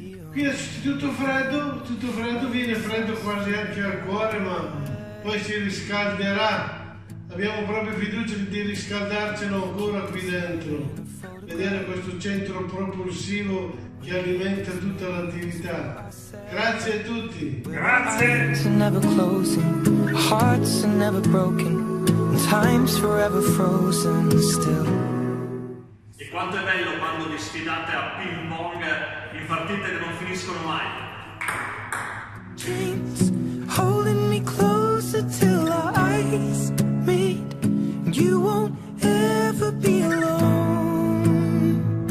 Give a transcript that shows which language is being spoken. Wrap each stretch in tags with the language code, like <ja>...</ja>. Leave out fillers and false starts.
<it>Qui è tutto freddo, viene freddo quasi anche al cuore, ma poi si riscalderà. Abbiamo proprio fiducia di riscaldarcelo ancora qui dentro, vedere questo centro propulsivo che alimenta tutta l'attività. Grazie a tutti. Grazie.</it> <en>Hearts are never closing, hearts are never broken, time's forever frozen still.</en> <it>E quanto è bello quando vi sfidate a ping pong in partite che non finiscono mai.</it> <en>Chains holding me closer till our eyes meet. You won't ever be alone.</en>